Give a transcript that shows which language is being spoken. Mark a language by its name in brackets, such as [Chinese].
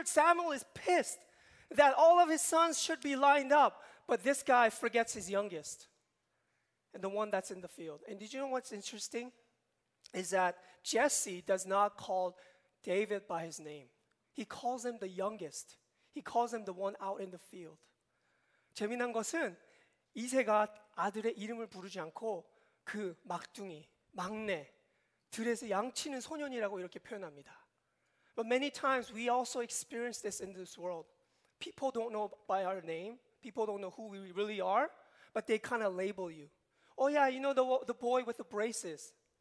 [English] Samuel is pissed that all of his sons should be lined up, but this guy forgets his youngest and the one that's in the field. And did you know what's interesting? Is that Jesse does not call David by his name. He calls him the youngest. He calls him the one out in the field. [Korean] 재미난 것은 이새가 아들의 이름을 부르지 않고 그 막둥이, 막내, 들에서 양치는 소년이라고 이렇게 표현합니다. [English] But many times we also experience this in this world. People don't know by our name. People don't know who we really are, but they kind of label you. Oh yeah, you know the boy with the braces.